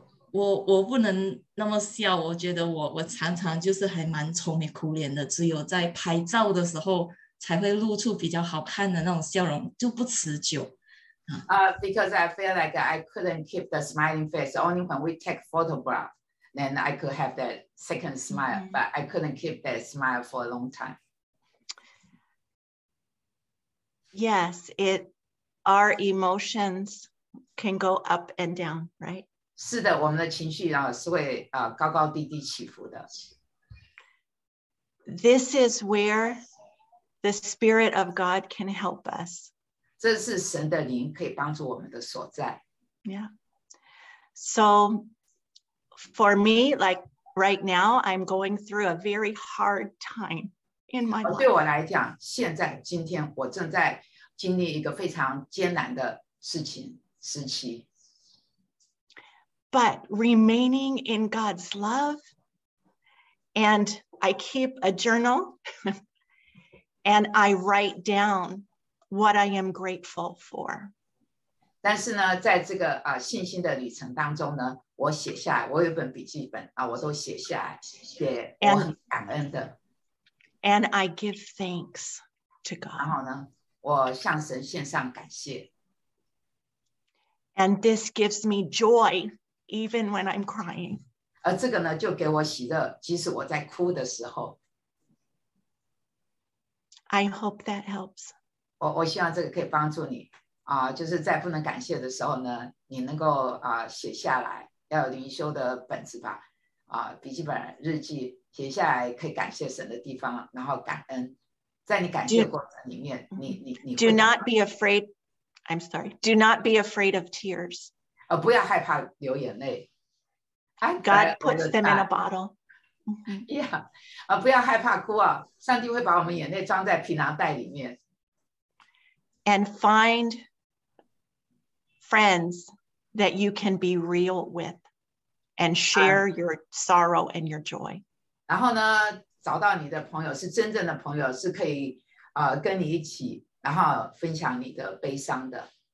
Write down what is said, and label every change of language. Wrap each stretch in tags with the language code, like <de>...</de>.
<zh>我不能那么笑，我觉得我常常就是还蛮愁眉苦脸的，只有在拍照的时候才会露出比较好看的那种笑容，就不持久。</zh> <en>Because I feel like I couldn't keep the smiling face. Only when we take photograph, then I could have that second smile. Mm-hmm. But I couldn't keep that smile for a long time. Yes, our emotions can go up and down, right?</en> <zh>是的，我们的情绪是会高高低低起伏的。</zh> <en>This is where the Spirit of God can help us.</en> <zh>这是神的灵可以帮助我们的所在。</zh> <en>Yeah. So for me, like right now, I'm going through a very hard time in my life.</en> <zh>对我来讲，现在今天我正在经历一个非常艰难的事情时期。</zh> <en>But remaining in God's love, and I keep a journal, and I write down what I am grateful for.</en> <zh>但是呢，在这个信心的旅程当中呢，我写下来，我有本笔记本我都写下来，也我很感恩的。</zh> <en>And I give thanks to God.</en> <zh>然后呢，我向神献上感谢。</zh> <en>And this gives me joy. Even when I'm crying.</en> <zh>而这个呢，就给我喜乐，即使我在哭的时候。</zh> <en>I hope that helps.</en> <zh>我希望这个可以帮助你就是在不能感谢的时候呢，你能够写下来，要有灵修的本子吧笔记本、日记写下来，可以感谢神的地方，然后感恩，在你感谢过程里面，</zh> <en>Do,</en> <zh>你</zh> <en>Do not be afraid. I'm sorry. Do not be afraid of tears.</en> <zh>不要害怕流眼泪。</zh> <en>God puts them in a bottle.</en> <zh>Yeah, 不要害怕哭啊！上帝会把我们眼泪装在皮囊袋里面。</zh> <en>And find friends that you can be real with, and share your sorrow and your joy.</en> <zh>然后呢，找到你的朋友是真正的朋友，是可以跟你一起，然后分享你的悲伤的。</zh>